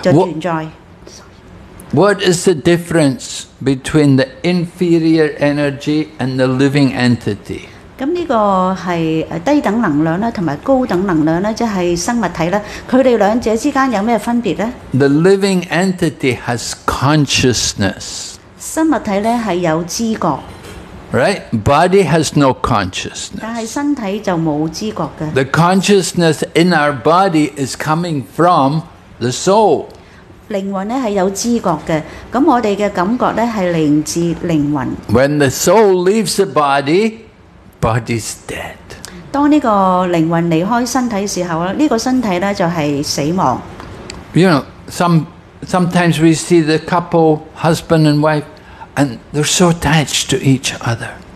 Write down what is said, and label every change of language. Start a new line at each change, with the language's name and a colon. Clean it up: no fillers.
Chinese: 就是一些物件或者是我們的身體是屬於低等能量的有一種是高等的能量就存在。
English: What is the difference between the inferior energy and the living entity?
Chinese: 這個是低等能量和高等能量就是生物體它們兩者之間有什麼分別呢?
English: The living entity has consciousness.
Chinese: 身物體是有知覺。
English: Right? Body has no consciousness.
Chinese: 但是身體就沒有知覺的。
English: The consciousness in our body is coming from the soul.
Chinese: 靈魂是有知覺的,我們的感覺是來自靈魂。
English: When the soul leaves the body, body's dead.
Chinese: 當這個靈魂離開身體的時候,這個身體就是死亡。
English: You know, sometimes we see the couple, husband and wife, and they're so attached to each other.